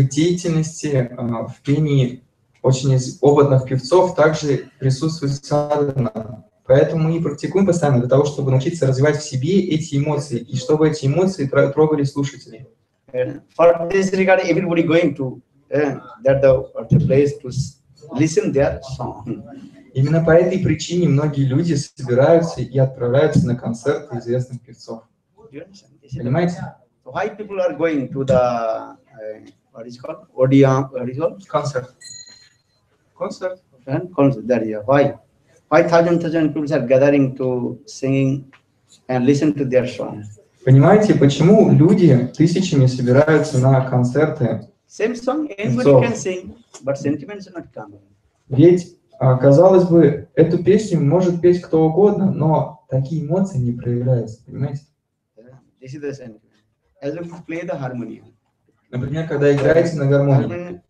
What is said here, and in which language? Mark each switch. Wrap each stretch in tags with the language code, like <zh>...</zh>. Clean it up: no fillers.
<ru>В деятельности в пении очень из опытных певцов также присутствует sadhana. Поэтому мы и практикуем постоянно для того, чтобы научиться развивать в себе эти эмоции и чтобы эти эмоции трогали слушателей.</ru> <en>For this regard, everybody going to that the place to listen their song.</en> <ru>Именно по этой причине многие люди собираются и отправляются на концерты известных певцов. Понимаете?</ru> <en>Why people are going to the what is called Odeon, what is called concert? Concert. And concert. There you are. Why? 5,000 people are gathering to singing and listen to their song.</en> <ru>Понимаете, почему люди тысячами собираются на концерты?</ru> <en>Same song, anybody can sing, but sentiments are not coming.</en> <ru>Ведь, казалось бы, эту песню может петь кто угодно, но такие эмоции не проявляются, понимаете?</ru> <en>This is the same. As you play the harmony.</en> <ru>Например, когда играете на гармонии.</ru>